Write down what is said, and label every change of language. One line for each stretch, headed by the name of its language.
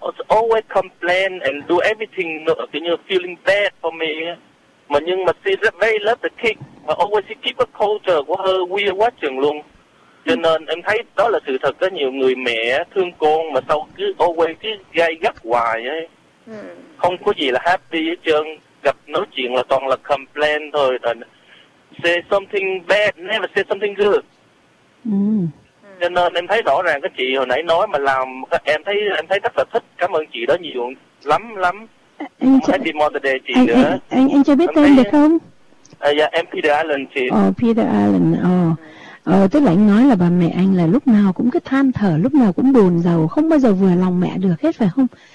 English: Always complain and do everything, you know, feeling bad for me.
Vietnamese: Mà nhưng mà
English: she very love the kid. But always she keep a culture
Vietnamese: của
English: her weird
Vietnamese: quá chừng luôn. Cho nên em thấy đó là sự thật, có nhiều người mẹ thương con mà sau cứ always cứ gai gắt hoài ấy. Không có gì là happy hết trơn, gặp nói chuyện là toàn là complain thôi.
English: Say something bad, never say something good.
Vietnamese: Cho nên em thấy rõ ràng cái chị hồi nãy nói mà làm em thấy rất là thích. Cảm ơn chị đó nhiều lắm.
English: Happy Mother Day
Vietnamese: chị nữa. Anh cho biết tên được không? Em Peter Allen chị. Peter Allen. Tức là anh nói là bà mẹ anh là lúc nào cũng cứ than thở, lúc nào cũng buồn rầu, không bao giờ vừa lòng mẹ được hết, phải không?